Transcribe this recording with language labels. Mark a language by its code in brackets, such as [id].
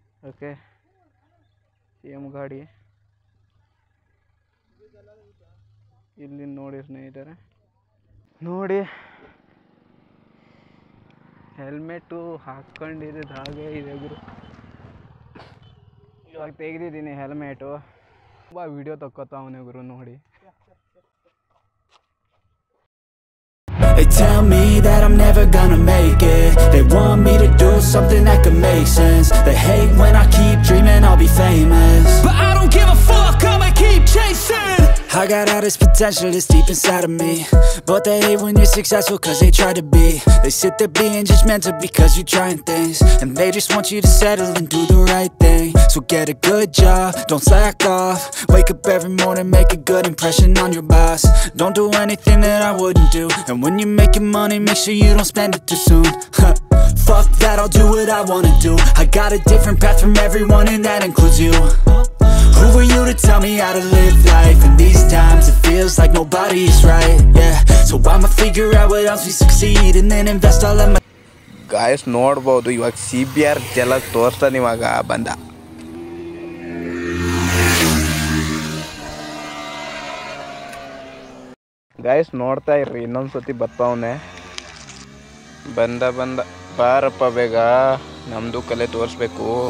[kn] Okay, same ಗಾಡಿ ಇಲ್ಲಿ ನೋಡಿ ಸ್ನೇಹಿತರೆ, ನೋಡಿ ಹೆಲ್ಮೆಟು ಹಾಕ್ಕೊಂಡಿದ್ದ ಹಾಗೆ ಇದೆ ಗುರು. ಇವಾಗ ತೆಗೆದಿದ್ದೀನಿ ಹೆಲ್ಮೆಟು, ತುಂಬ ವೀಡಿಯೋ ತಕ್ಕೊತಾವನೆ ಗುರು ನೋಡಿ. [en] They tell me that I'm never gonna make it. They want me to do something that could make sense. They hate when I keep dreaming I'll be famous, but I don't give a fuck, I'ma keep chasing. I got all this potential that's deep inside of me, but they hate when you're successful cause they try to be. They sit there being judgmental because you're trying things, and they just want you to settle and do the right thing. So get a good job, don't slack off, wake up every morning, make a good impression on your boss. Don't do anything that I wouldn't do, and when you're making money, make sure you don't spend it too soon. Fuck that, I'll do what I wanna do. I got a different path from everyone and that includes you. Who are you to tell me how to live life? In these times it feels like nobody's right. Yeah, so I'ma figure out what else we succeed and then invest all of my. [kn] Guys, ನೋಡ್ಬೋದು ಇವಾಗ CBR ಜಲ ತೋರ್ತಾನೆ ಇವಾಗ ಬಂದ. ಗಾಯಸ್ ನೋಡ್ತಾ ಇರ್ರಿ, ಇನ್ನೊಂದ್ಸತಿ ಬರ್ತಾವನೆ. ಬಂದ ಬಂದ ಬಾರಪ್ಪ ಬೇಗ, ನಮ್ಮದು ಕಲೆ ತೋರಿಸ್ಬೇಕು.